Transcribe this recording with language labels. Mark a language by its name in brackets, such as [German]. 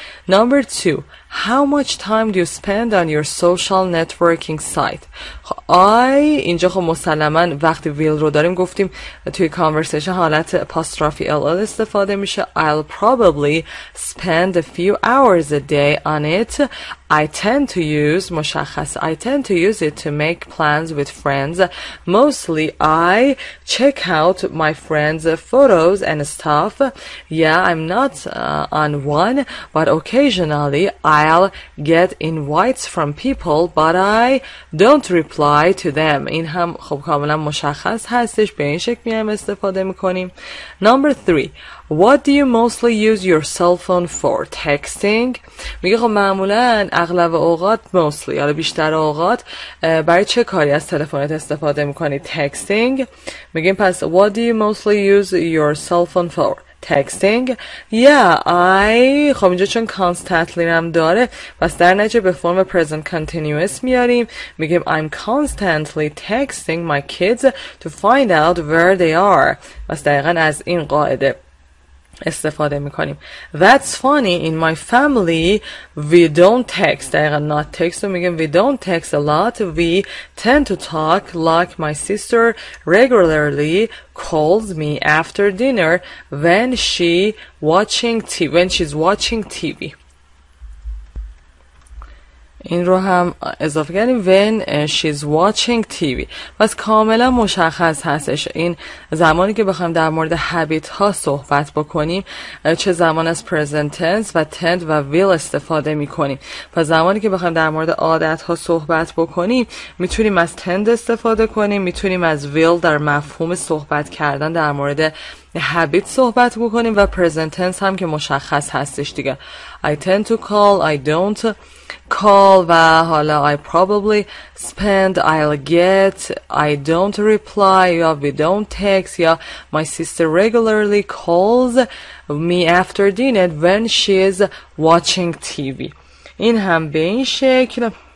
[English] Number two, how much time do you spend on your social networking site? [Persian] I اینجا خب مسلماً وقتی will رو داریم گفتیم توی conversation حالت apostrophe ll استفاده میشه. [English] I'll probably spend a few hours a day on it. I tend to use it to make plans with friends. Mostly I check out my friends' photos and stuff. Yeah, I'm not on one, but occasionally I'll get invites from people, but I don't reply to them. [Persian] این هم خب کاملا مشخص هستش، به این شکل میایم استفاده میکنیم. [English] Number three, what do you mostly use your cell phone for? Texting. [Persian] میگه خب معمولا اغلب اوقات mostly یا بیشتر اوقات برای چه کاری از تلفنت استفاده میکنی؟ Texting. میگیم پس [English] what do you mostly use your cell phone for? Texting. Yeah, I [Persian] خب اینجا چون constantly هم داره بس در نتیجه به فرم present continuous میاریم. میگیم [English] I'm constantly texting my kids to find out where they are. [Persian] بس دقیقا از این قاعده استفاده میکنیم. [English] That's funny, in my family we don't text. [Persian] دقیقا [English] not text [Persian] رو میگیم [English] we don't text a lot. We tend to talk like my sister regularly calls me after dinner when she watching TV. When she's watching TV. [Persian] این رو هم اضافه کردیم [English] when she's watching TV. [Persian] پس کاملا مشخص هستش این زمانی که بخوایم در مورد habit ها صحبت بکنیم چه زمان از present tense و tend و will استفاده میکنیم. پس زمانی که بخوایم در مورد عادت ها صحبت بکنیم میتونیم از tend استفاده کنیم، میتونیم از will در مفهوم صحبت کردن در مورد habit صحبت بکنیم و present tense هم که مشخص هستش دیگه. [English] I tend to call, I don't call [Persian] و حالا [English] I probably spend, I'll get, I don't reply [Persian] یا [English] we don't text یا my sister regularly calls me after dinner when she is watching TV. [Persian] این هم به این شکل.